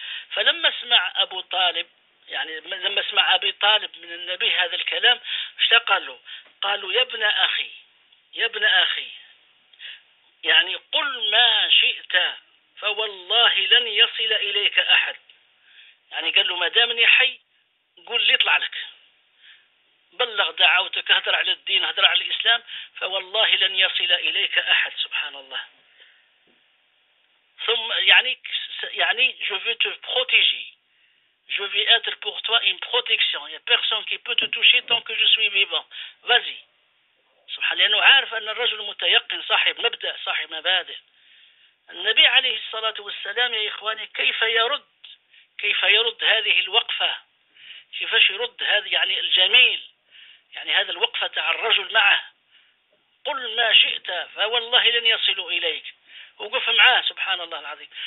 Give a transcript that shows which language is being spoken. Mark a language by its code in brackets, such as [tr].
[ar] فلما سمع أبو طالب يعني لما سمع أبي طالب من النبي هذا الكلام اش قالوا؟ قالوا يا ابن أخي يا ابن أخي يعني قل ما شئت فوالله لن يصل إليك أحد، يعني قال له ما دامني حي قل لي اطلع لك، بلغ دعوتك هدر على الدين هدر على الإسلام فوالله لن يصل إليك أحد، سبحان الله. [fr] ثم يعني je veux te protéger je veux être pour toi une protection il y a personne qui peut te toucher tant que je suis vivant vas-y سبحان الله. [ar] لأنه عارف أن الرجل متيقن صاحب مبدأ صاحب مبادئ. النبي عليه الصلاة والسلام يا إخواني كيف يرد هذه الوقفة، كيفاش يرد هذا يعني الجميل يعني هذا الوقفة تاع الرجل معه، قل ما شئت فوالله لن يصلوا إليك، وقف معاه سبحان الله العظيم.